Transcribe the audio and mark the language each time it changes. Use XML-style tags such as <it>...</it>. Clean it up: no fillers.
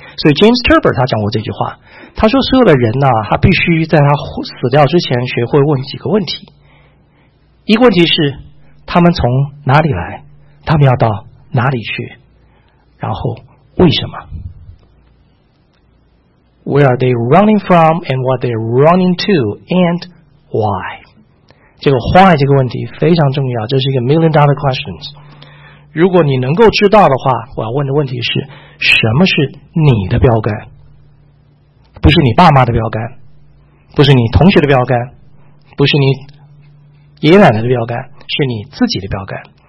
<zh>所以 James Turber 他讲过这句话，他说所有的人呢，他必须在他死掉之前学会问几个问题。一个问题是他们从哪里来，他们要到哪里去，然后为什么？</zh> <en>Where are they running from and what they're running to and why?</en> <zh>这个 why 这个问题非常重要，这是一个</zh> <en>million dollar questions。</en> <zh>如果你能够知道的话，我要问的问题是，什么是你的标杆？不是你爸妈的标杆，不是你同学的标杆，不是你爷爷奶奶的标杆，是你自己的标杆。</zh>